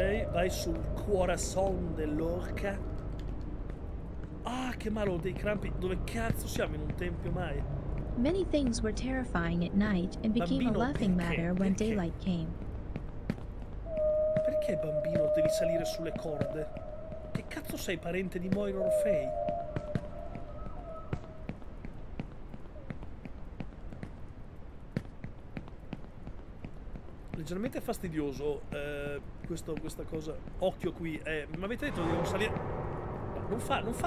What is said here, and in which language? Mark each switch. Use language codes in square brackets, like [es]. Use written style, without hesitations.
[it] Vai sul cuorason dell'orca. Ah, che malo, dei crampi. Dove cazzo siamo, in un tempio mai? [en] Many things were terrifying at night and became [it] bambino, [en] a laughing matter when daylight came. [it] Perché, bambino, devi salire sulle corde? Che cazzo sei, parente di Moira Orfei? Leggermente fastidioso, questa cosa. Occhio qui, mi avete detto di non salire. Non fare.